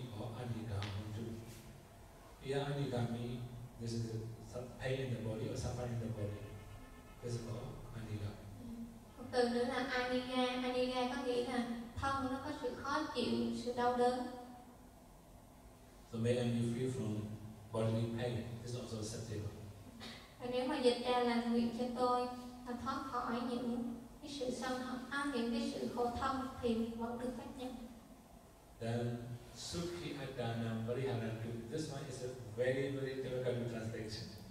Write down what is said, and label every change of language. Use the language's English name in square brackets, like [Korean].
[English] And that's why it says anigo, omigo, anigam, too. Anigam means this is pain in the body or suffering in the body. This is called anigam. [Vietnamese] Một từ nữa là aniga. Aniga có nghĩa là thân nó có sự khó chịu, sự đau đớn. [English] So may I be free from bodily pain. This is also acceptable. [Vietnamese] Và nếu mà dịch ra là nguyện cho tôi là thoát khỏi những cái sự sân hận, những cái sự khổ thân thì vẫn được chấp nhận. [Pali] Then sukhi adanam pariharantu. [English] This one is a very very difficult translation.